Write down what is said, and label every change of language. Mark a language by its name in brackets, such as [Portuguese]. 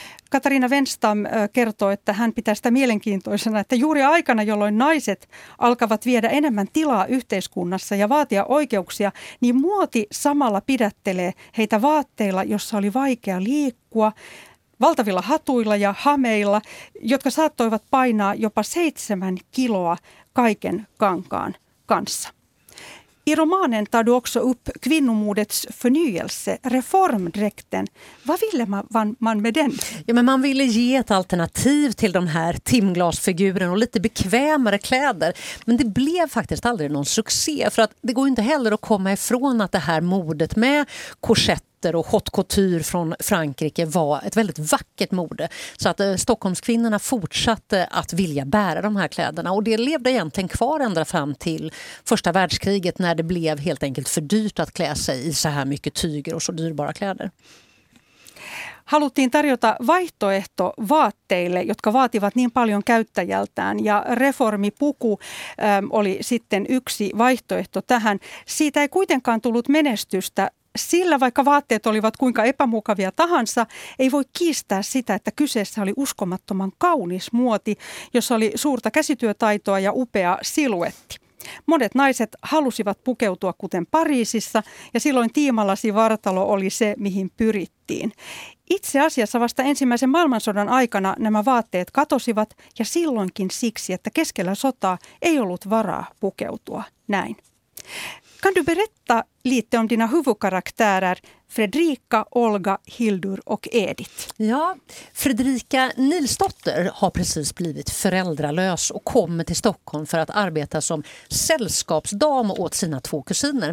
[Finnish] Katariina Wenstam kertoo, että hän pitää sitä mielenkiintoisena, että juuri aikana, jolloin naiset alkavat viedä enemmän tilaa yhteiskunnassa ja vaatia oikeuksia, niin muoti samalla pidättelee heitä vaatteilla, jossa oli vaikea liikkua, valtavilla hatuilla ja hameilla, jotka saattoivat painaa jopa 7 kiloa kaiken kankaan kanssa. [Swedish] I romanen tar du också upp kvinnomodets förnyelse, reformdräkten. Vad ville man med den? Ja, men man ville ge ett alternativ till de här timglasfigurerna och lite bekvämare kläder. Men det blev faktiskt aldrig någon succé, för att det går inte heller att komma ifrån att det här modet med korsett mönster och haute couture från Frankrike var ett väldigt vackert mode. Så att Stockholmskvinnorna fortsatte att vilja bära de här kläderna. Och det levde egentligen kvar ända fram till första världskriget när det blev helt enkelt för dyrt att klä sig i så här mycket tyger och så dyrbara kläder. [Finnish] Haluttiin tarjota vaihtoehto vaatteille, jotka vaativat niin paljon käyttäjältään, ja reformipuku oli sitten yksi vaihtoehto tähän. Siitä ei kuitenkaan tullut menestystä, sillä vaikka vaatteet olivat kuinka epämukavia tahansa, ei voi kiistää sitä, että kyseessä oli uskomattoman kaunis muoti, jossa oli suurta käsityötaitoa ja upea siluetti. Monet naiset halusivat pukeutua kuten Pariisissa, ja silloin tiimalasi vartalo oli se, mihin pyrittiin. Itse asiassa vasta ensimmäisen maailmansodan aikana nämä vaatteet katosivat, ja silloinkin siksi, että keskellä sotaa ei ollut varaa pukeutua näin. [Swedish] Kan du berätta lite om dina huvudkaraktärer, Fredrika, Olga, Hildur och Edith? Ja, Fredrika Nilsdotter har precis blivit föräldralös och kommer till Stockholm för att arbeta som sällskapsdam åt sina två kusiner.